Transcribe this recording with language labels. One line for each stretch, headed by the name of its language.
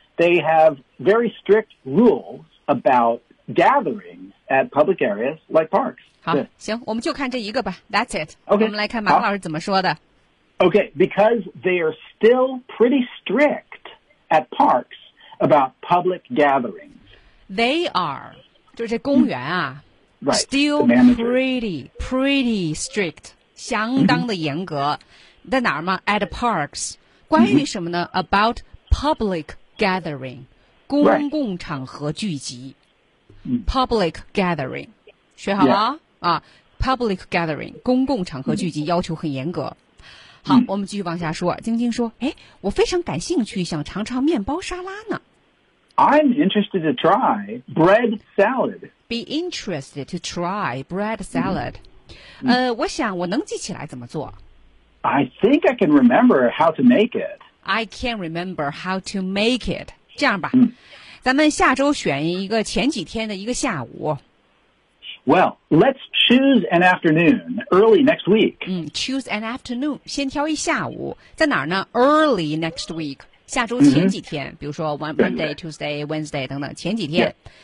English: They have very strict rules about gathering at public areas like parks.
Chinese: 好，行，我们就看这一个吧。
English: That's it. OK.
Chinese: 我们来看马老师怎么说的。
English: OK, because they are still pretty strict at parks about public gatherings. They are,
Chinese: 就是公园啊。
English: Right, still pretty strict,
Chinese: 相当的严格。
English: Mm-hmm.
Chinese: 在哪儿吗 ?
English: At parks.
Chinese: 关于什么呢、
English: mm-hmm. ?About public gathering,
Chinese: 公共场合聚集。
English: Right. Public gathering,
Chinese: 学好了、
English: yeah. 啊 ?Public gathering,
Chinese: 公共场合聚集、
English: mm-hmm.
Chinese: 要求很严格。好、mm-hmm. 我们继续往下说。晶晶说诶我非常感兴趣想尝尝面包沙拉呢。
English: I'm interested to try bread salad. Be interested to try bread salad.
Chinese: 我想我能记起来怎么做。
English: I think I can remember how to make it. I can remember how to make it.
Chinese: 这样吧，咱们下周选一个前几天的一个下午。
English: Well, let's choose an afternoon early next week. Choose an afternoon.
Chinese: 先挑一下午。在哪儿呢
English: ?Early next week.
Chinese: 下周前几天。比如说
English: Monday, Tuesday, Wednesday
Chinese: 等等前几天。